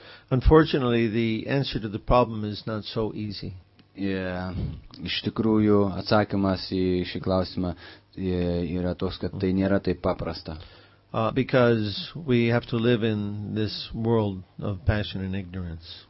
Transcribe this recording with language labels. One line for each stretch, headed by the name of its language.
English: Unfortunately, the answer to the problem is not so easy.
Lithuanian: Iš tikrųjų, atsakymas į šį klausimą yra toks, kad tai nėra taip paprasta.
English: Because we have to live in this world of passion and ignorance.